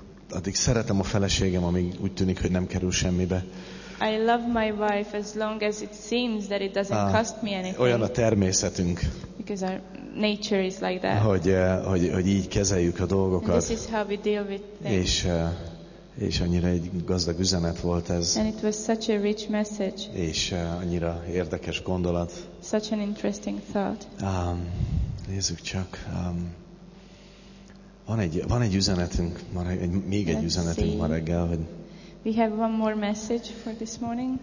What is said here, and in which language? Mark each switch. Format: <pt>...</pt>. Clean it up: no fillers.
<hu>Addig szeretem a feleségem, amíg úgy tűnik, hogy nem kerül semmibe.</hu> <en>I love my wife as long as it seems that it doesn't cost me anything.</en> <hu>Olyan a természetünk.</hu> <en>Because our nature is like that.</en> <hu>Hogy így kezeljük a dolgokat.</hu> <en>And this is how we deal with things.</en> <hu>És annyira egy gazdag üzenet volt ez.</hu> <en>And it was such a rich message.</en> <hu>És annyira érdekes gondolat.</hu> <en>Such an interesting thought.</en> <hu>Nézzük csak. Van egy üzenetünk, még egy üzenetünk ma reggel, hogy</hu> <en>we have one more message for this morning.</en>